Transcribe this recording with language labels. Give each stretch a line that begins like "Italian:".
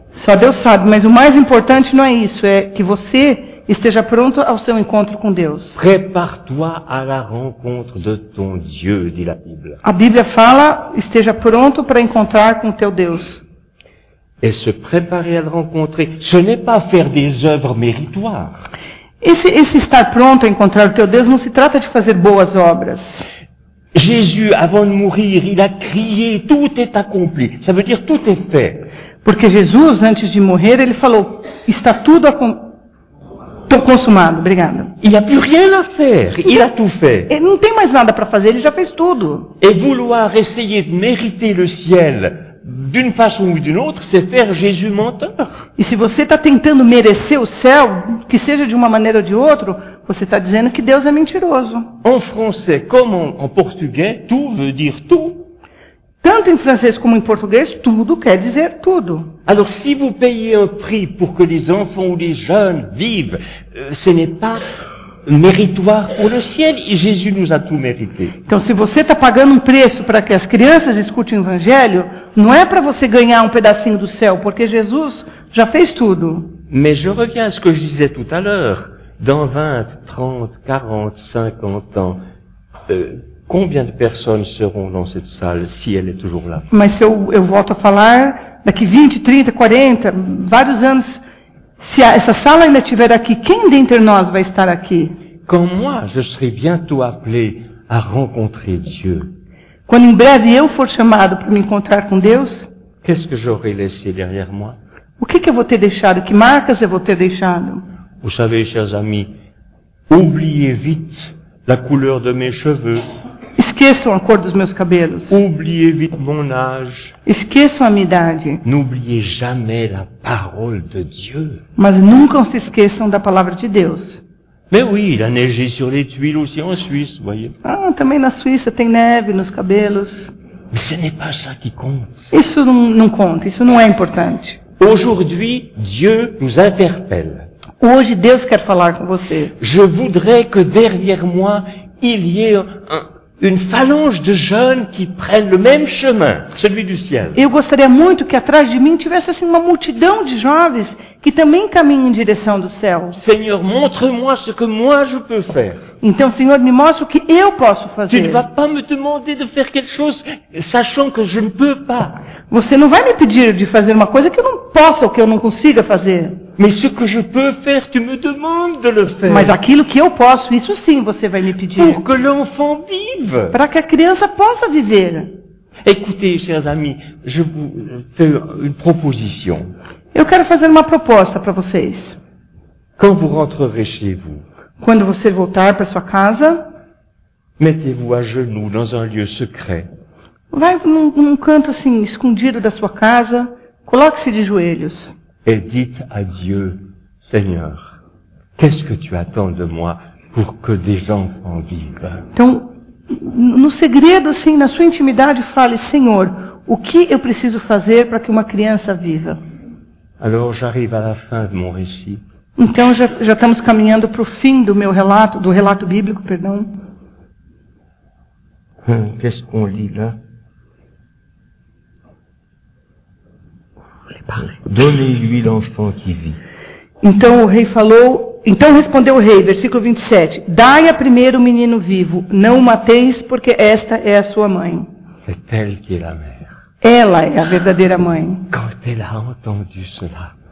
Portuguese: Só Deus sabe, mas o mais importante não é isso, é que você esteja pronto ao seu encontro com Deus.
French: Prépare-toi à la rencontre de ton Dieu,
Portuguese: diz a Bíblia. A Bíblia fala, esteja pronto para encontrar com o teu Deus.
French: Et se préparer à le rencontrer, ce n'est pas faire des œuvres méritoires.
Portuguese: Esse estar pronto a encontrar o teu Deus não se trata de fazer boas obras.
French: Jésus, avant de mourir, il a crié, tout est accompli. Ça veut dire tout est fait.
Portuguese: Porque Jesus, antes de morrer, ele falou, está tudo consumado, obrigada.
French: Il n'y a plus rien à faire, il a tout fait.
Portuguese: Ele não tem mais nada para fazer, ele já fez tudo.
French: Et vouloir essayer de mériter le ciel, d'une façon ou d'une autre, c'est faire Jésus menteur.
Portuguese: E se você está tentando merecer o céu, que seja de uma maneira ou de outra, você está dizendo que Deus é mentiroso.
French: En français comme en portugais, tout veut dire tout.
Portuguese: Tanto em francês como em português, tudo quer dizer tudo.
French: Alors, si vous payez un prix pour que les enfants ou les jeunes vivent, ce n'est pas méritoire pour le ciel, et Jésus nous a tout mérité.
Portuguese: Então, se você está pagando um preço para que as crianças escutem o Evangelho, não é para você ganhar um pedacinho do céu, porque Jesus já fez tudo.
French: Mais je reviens à ce que je disais tout à l'heure. Dans 20, 30, 40, 50 ans, combien de personnes seront dans cette salle si elle est toujours là?
Portuguese: Mas se eu volto a falar, daqui 20, 30, 40, vários anos, se essa sala ainda estiver aqui, quem dentre nós vai estar aqui?
French: Quand moi, je serai bientôt appelé à rencontrer Dieu.
Portuguese: Quando em breve eu for chamado para me encontrar com Deus,
French: qu'est-ce que j'aurai laissé derrière moi?
Portuguese: O que eu vou ter deixado? Que marcas eu vou ter deixado?
French: Vous savez, chers amis, oubliez vite la couleur de mes cheveux.
Portuguese: Esqueçam a cor dos meus cabelos.
French: Oubliez vite mon âge.
Portuguese: Esqueçam a minha idade.
French: N'oubliez jamais la parole de Dieu.
Portuguese: Mas nunca se esqueçam da palavra de Deus.
French: Mais oui, il a neigé sur les tuiles aussi en Suisse, voyez.
Portuguese: Ah, também na Suíça tem neve nos cabelos.
French: Mais ce n'est pas ça qui compte.
Portuguese: Isso não conta, isso não é importante.
French: Aujourd'hui, Dieu nous interpelle.
Portuguese: Hoje Deus quer falar com você.
French: Je voudrais que derrière moi il y ait une phalange de jeunes qui prennent le même chemin, celui du ciel.
Portuguese: Eu gostaria muito que atrás de mim tivesse assim uma multidão de jovens que também caminhem em direção do céu.
French: Seigneur, montre-moi ce que moi je peux faire.
Portuguese: Então, Senhor, me mostre o que eu posso fazer.
French: Tu ne vas pas me demander de faire quelque chose sachant que je ne peux pas.
Portuguese: Você não vai me pedir de fazer uma coisa que eu não possa ou que eu não consiga fazer.
French: Mais ce que je peux faire, tu me demandes de le faire.
Portuguese: Mas aquilo que eu posso, isso sim você vai me pedir.
French: Pour que l'enfant vive.
Portuguese: Para que a criança possa viver.
French: Écoutez, chers amis, je vous fais une proposition.
Portuguese: Eu quero fazer uma proposta para vocês.
French: Quand vous rentrerez chez vous,
Portuguese: quando você voltar para sua casa,
French: mettez-vous à genoux dans un lieu secret.
Portuguese: Vai num canto assim, escondido da sua casa, coloque-se de joelhos.
French: Et dites à Dieu, Seigneur, qu'est-ce que tu attends de moi pour que des enfants vivent?
Portuguese: Então, no segredo assim, na sua intimidade, fale, Senhor, o que eu preciso fazer para que uma criança viva?
French: Alors, j'arrive à la fin de mon récit.
Portuguese: Então já estamos caminhando para o fim do meu relato, do relato bíblico, perdão.
French: Qu'est-ce qu'on lit là? Donnez-lui l'enfant qui vit.
Portuguese: Então o rei falou, então respondeu o rei, versículo 27. Dai a primeiro o menino vivo, não o mateis, porque esta é a sua mãe.
French: C'est elle qui est la mère.
Portuguese: Ela é a verdadeira mãe.
French: Quand elle a entendu cela.